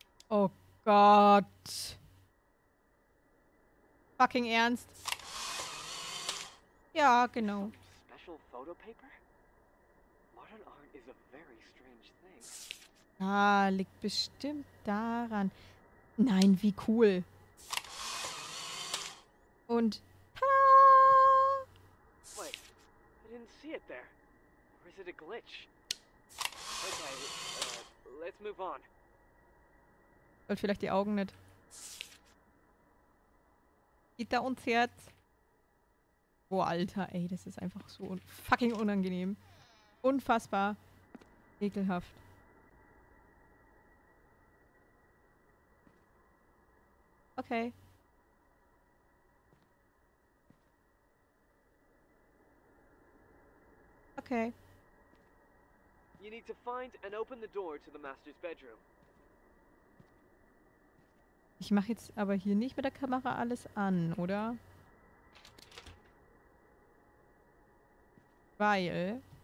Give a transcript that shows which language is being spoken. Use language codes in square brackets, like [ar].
[de] Oh Gott. Fucking ernst. Ja, genau. [en] Special photo paper? Modern art is a very strange thing. [de] Ah, liegt bestimmt daran. Nein, wie cool. Und tada! [en] Wait, I didn't see it there. Or is it a glitch? Okay, let's move on. [de] Und vielleicht die Augen nicht. Gitter und Herz. Oh, Alter, ey, das ist einfach so fucking unangenehm. Unfassbar. Ekelhaft. Okay. Okay. [en] You need to find and open the door to the master's bedroom. [de] Ich mache jetzt aber hier nicht mit der Kamera alles an, oder? Weil.